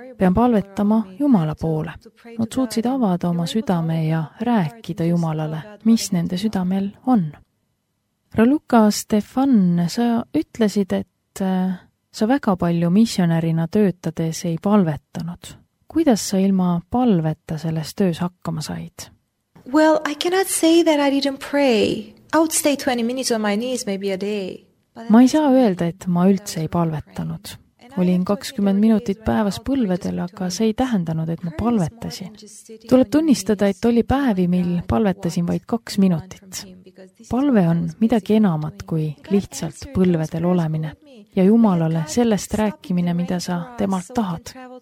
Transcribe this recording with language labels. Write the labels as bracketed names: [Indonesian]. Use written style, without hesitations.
[Estonian] Pean palvetama Jumala poole. Nad suutsid avada oma südame ja rääkida Jumalale, mis nende südamel on. Raluca Stefan, sa ütlesid, et sa väga palju missionärina töötades ei palvetanud. Kuidas sa ilma palveta selles töös hakkama said? [English] Well, I cannot say that I didn't pray. I would stay 20 minutes on my knees maybe a day. [Estonian] Ma ei saa öelda, et ma üldse ei palvetanud. Olin 20 minutit päevas põlvedel, aga see ei tähendanud, et ma palvetasin. Tuleb tunnistada, et oli päevi, mil palvetasin vaid 2 minutit. Palve on midagi enamat kui lihtsalt põlvedel olemine ja Jumalale sellest rääkimine, mida sa temalt tahad.